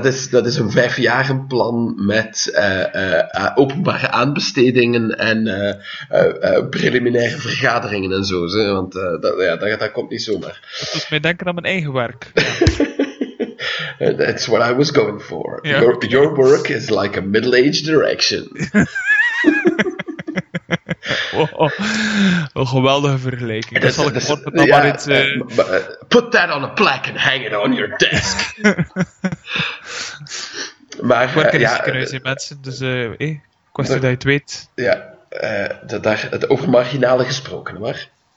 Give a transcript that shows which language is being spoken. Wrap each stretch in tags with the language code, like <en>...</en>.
<nl>Dat is een 5-jaren plan met openbare aanbestedingen en preliminaire vergaderingen en zo. Hè. Want dat komt niet zomaar. Dat doet mij denken aan mijn eigen werk.</nl> <en>That's what I was going for. Yeah. Your work is like a middle-aged erection.</en> <nl>Wow. Een geweldige vergelijking. Dat zal ik morgen nog maar iets...</nl> <en>Put that on a plaque and hang it on your desk.</en> <nl>Maar, ik werk in het ziekenhuis in mensen, dus kwestie dat je het weet. Ja, het over marginale gesproken, maar...</nl>